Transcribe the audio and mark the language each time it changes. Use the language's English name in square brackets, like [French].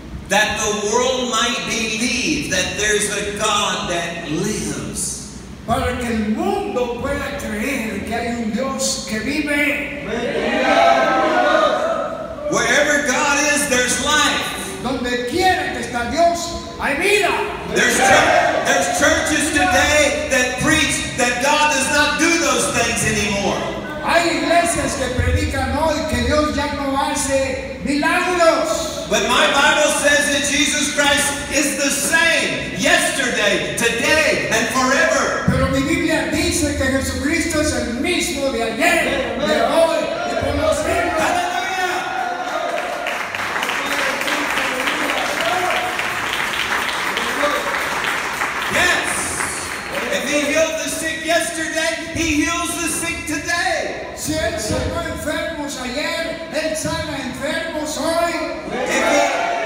[English] That the world might believe that there's a God that lives. [Spanish] Para que el mundo pueda creer que hay un Dios que vive. [English] Wherever God is, there's life. [Spanish] Donde quiera que está Dios, hay vida. [English] There's churches. today that preach that God does not do those things anymore. [Spanish] Hay iglesias que predican hoy que Dios ya no hace milagros. [English] But my Bible says that Jesus Christ is the same yesterday, today, and forever. [Spanish] Pero mi Biblia dice que Jesucristo es el mismo de ayer, de hoy, y por los siglos. [English] Hallelujah! Yes! If he healed the sick yesterday, he heals the sick today. [Spanish] Si él sanó enfermos ayer, él sana enfermos hoy.